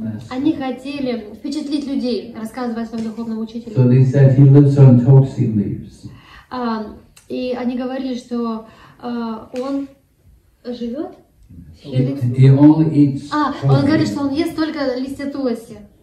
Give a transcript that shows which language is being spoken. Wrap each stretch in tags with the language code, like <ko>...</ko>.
<ru>Они хотели впечатлить людей, рассказывая о своем духовном учителе.</ru> <en>So they said he lives on tulsi leaves.</en> <ru>И они говорили, что он живет? Он говорит, что он ест только листья туласи.</ru>